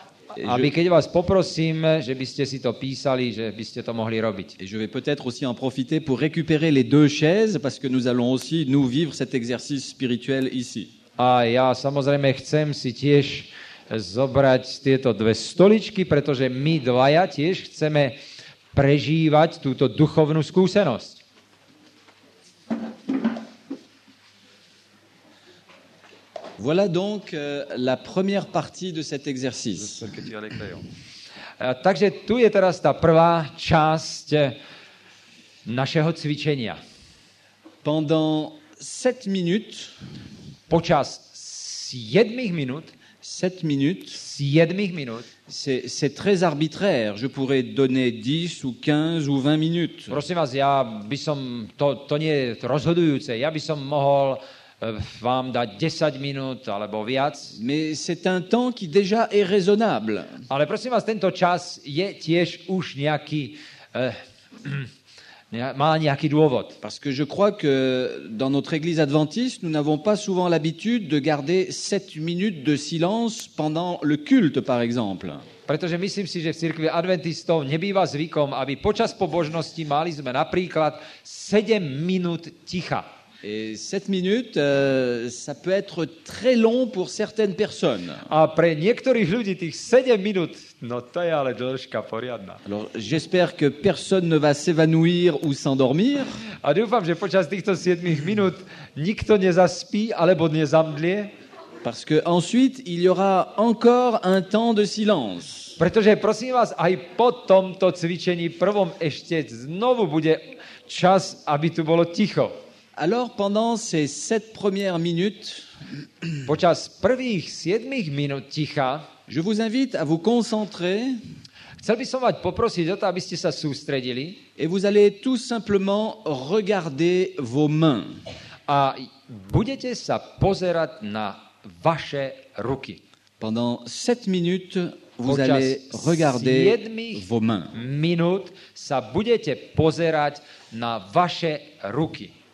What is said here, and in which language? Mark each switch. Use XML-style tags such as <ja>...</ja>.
<sk>Aby keď vás poprosím, že by ste si to písali, že by ste to mohli robiť.</sk> <fr>Et je vais peut-être aussi en profiter pour récupérer les deux chaises parce que nous allons aussi nous vivre cet exercice spirituel ici.</fr> <sk>A ja samozrejme chcem si tiež zobrať tieto dve stoličky, pretože my dvaja tiež chceme prežívať túto duchovnú skúsenosť.</sk> <fr>Voilà donc la première partie de cet exercice.</fr> <sk>Takže tu je teraz tá prvá časť našeho cvičenia.</sk> <fr>Pendant 7 minutes,</fr> <sk>počas 7 minút,</sk> <fr>c'est très arbitraire, je pourrais donner 10 ou 15 ou 20 minutes.</fr> <sk>Prosím vás, ja by som to nie je rozhodujúce. Ja by som mohol vám dať 10 minút alebo viac.</sk> <fr>Mais c'est un temps qui déjà est raisonnable.</fr> <sk>Ale prosím vás, tento čas je tiež už nejaký má nejaký dôvod.</sk> <fr>Parce que je crois que dans notre église adventiste, nous n'avons pas souvent l'habitude de garder 7 minutes de silence pendant le culte par exemple.</fr> <sk>Pretože myslím si, že v cirkvi adventistov nebýva zvykom, aby počas pobožnosti mali sme napríklad 7 minút ticha.</sk> <fr>Et 7 minutes ça peut être très long pour certaines personnes.</fr> <sk>A pre niektorých ľudí tých 7 minút, no to je ale dĺžka poriadna.</sk> <fr>Alors, j'espère que personne ne va s'évanouir ou s'endormir.</fr> <sk>A dúfam, že počas týchto 7 minút nikto nezaspí alebo nezamdlie.</sk> <fr>Parce que ensuite il y aura encore un temps de silence.</fr> <sk>Pretože prosím vás, aj po tomto cvičení prvom ešte znovu bude čas, aby tu bolo ticho.</sk> <fr>Alors pendant ces 7 premières minutes,</fr> <sk>počas prvých 7 minút ticha,</sk> <fr>je vous invite à vous concentrer.</fr> <sk>Chcel by som vás poprosiť o to, aby ste sa sústredili.</sk> <fr>Et vous allez tout simplement regarder vos mains.</fr> <sk>A budete sa pozerať na vaše ruky.</sk> <fr>Pendant 7 minutes, vous allez regarder vos mains.</fr> <sk>Minút sa budete pozerať na vaše ruky.</sk>